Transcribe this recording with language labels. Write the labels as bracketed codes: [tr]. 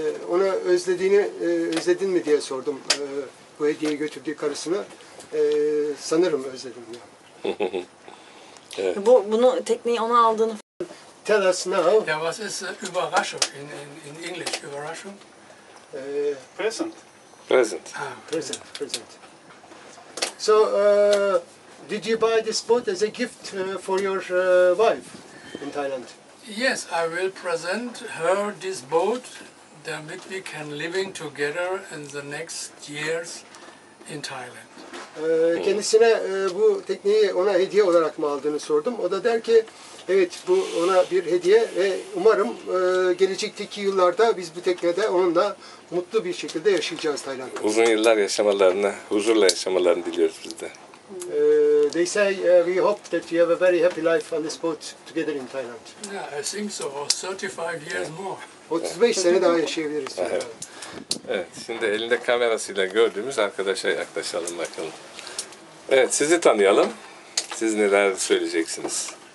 [tr] Ona özlediğini özledin mi diye sordum bu hediyeyi götürdüğü karısına. Sanırım özledim ya. Evet. Bunu tekneyi ona aldığını. [en] Tell us now. Yeah, [de] was es Überraschung [en] in English? [de] Überraschung. [en] Present. Present. Present. Present. So, did you buy this boat as a gift for your wife in Thailand? Yes, I will present her this boat, [de] damit [en] we can living together in the next years in Thailand. [tr] Kendisine bu tekneyi ona hediye olarak mı aldığını sordum. O da der ki, evet, bu ona bir hediye ve umarım gelecekteki yıllarda biz bu teknede onunla mutlu bir şekilde yaşayacağız Tayland'da. Uzun yıllar yaşamalarını, huzurla yaşamalarını diliyoruz biz de. [en] They say we hope that you have a very happy life on this boat together in Thailand. Yeah, I think so. 35 years more. [tr] 35 sene daha yaşayabiliriz. Evet, şimdi elinde kamerasıyla gördüğümüz arkadaşa yaklaşalım bakalım. Evet, sizi tanıyalım. Siz neler söyleyeceksiniz?